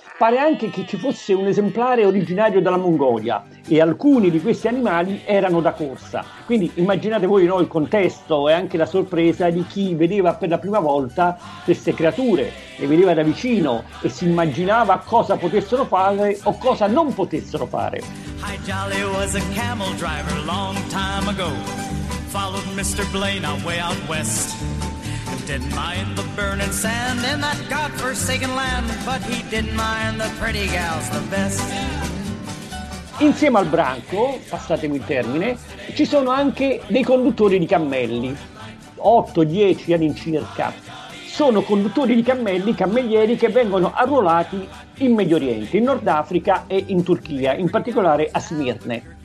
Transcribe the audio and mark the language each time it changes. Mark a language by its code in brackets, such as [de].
[it] Pare anche che ci fosse un esemplare originario dalla Mongolia e alcuni di questi animali erano da corsa. Quindi immaginate voi, no, il contesto e anche la sorpresa di chi vedeva per la prima volta queste creature, le vedeva da vicino e si immaginava cosa potessero fare o cosa non potessero fare. [en] Hi Jolly was a camel driver long time ago. Followed Mr. Blaine on way out west. Didn't mind the burning sand in that godforsaken land, but he didn't mind the pretty gals the best. [it] Insieme al branco, passatemi il termine, ci sono anche dei conduttori di cammelli, 8-10 all'incirca. Sono conduttori di cammelli, cammellieri, che vengono arruolati in Medio Oriente, in Nord Africa e in Turchia, in particolare a Smirne.